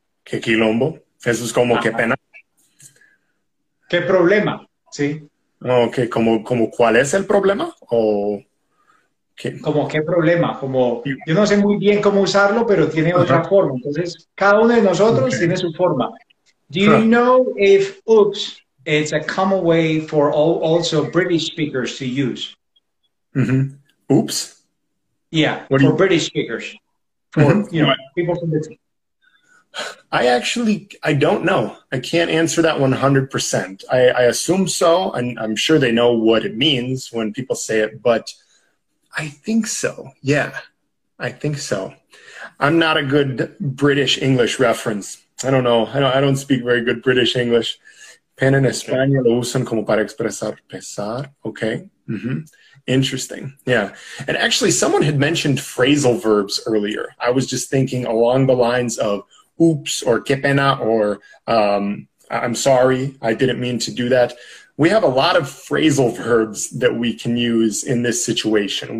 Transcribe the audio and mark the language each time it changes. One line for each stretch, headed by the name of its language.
Spanish: ¿Qué quilombo? Eso es como, ajá, qué pena. ¿Qué problema? ¿Sí? Ok, ¿como cuál es el problema? ¿O qué? Como qué problema, como yo no sé muy bien cómo usarlo, pero tiene otra forma. Entonces, cada uno de nosotros tiene su forma.
English: Do you know if oops is a common way for all also British speakers to use? Oops. Yeah, British speakers. People from the... I don't know. I can't answer that 100%. I assume so, and I'm sure they know what it means when people say it, but I think so. Yeah, I think so. I'm not a good British English reference. I don't know. I don't speak very good British English.
Spanish: Pen en español lo usan como para expresar pesar.
English: Okay. Interesting. Yeah. And actually, someone had mentioned phrasal verbs earlier. I was just thinking along the lines of oops or qué pena or I'm sorry, I didn't mean to do that. We have a lot of phrasal verbs that we can use in this situation.